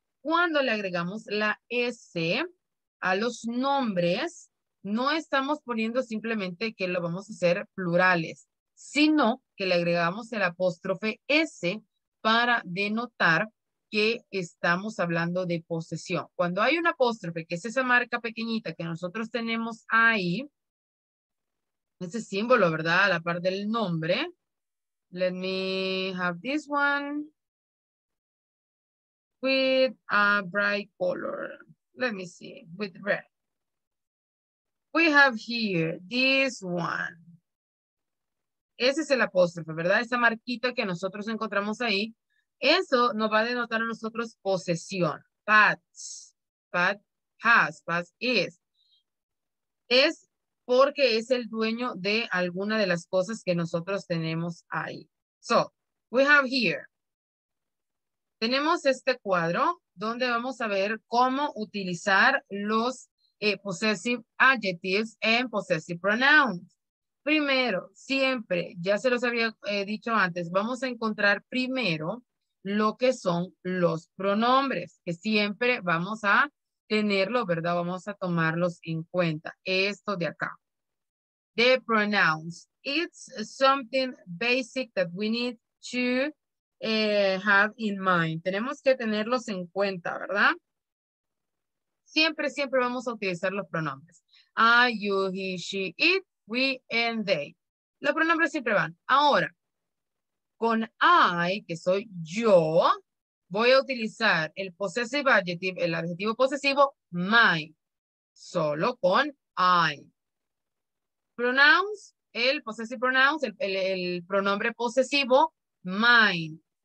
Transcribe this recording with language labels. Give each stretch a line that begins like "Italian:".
Spanish: Cuando le agregamos la S a los nombres, no estamos poniendo simplemente que lo vamos a hacer plurales, sino que le agregamos el apóstrofe S para denotar que estamos hablando de posesión. Cuando hay un apóstrofe, que es esa marca pequeñita que nosotros tenemos ahí, ese símbolo, ¿verdad? A la par del nombre.
English: Let me have this one with a bright color. Let me see, with red. We have here this one.
Spanish: Ese es el apóstrofe, ¿verdad? Esa marquita que nosotros encontramos ahí. Eso nos va a denotar a nosotros posesión. Pat's.
English: Pat has. Pat is.
Spanish: Es porque es el dueño de alguna de las cosas que nosotros tenemos ahí.
English: So, we have here.
Spanish: Tenemos este cuadro donde vamos a ver cómo utilizar los possessive adjectives and possessive pronouns. Primero, siempre, ya se los había dicho antes, vamos a encontrar primero lo que son los pronombres, que siempre vamos a tenerlo, ¿verdad? Vamos a tomarlos en cuenta. Esto de acá.
English: The pronouns. It's something basic that we need to have in mind.
Spanish: Tenemos que tenerlos en cuenta, ¿verdad? Siempre, siempre vamos a utilizar los pronombres. I, you, he, she, it, we, and they. Los pronombres siempre van. Ahora, con I, que soy yo, voy a utilizar el possessive adjective, el adjetivo posesivo, my. Solo con I. Pronouns, el possessive pronouns, el pronombre posesivo, mine.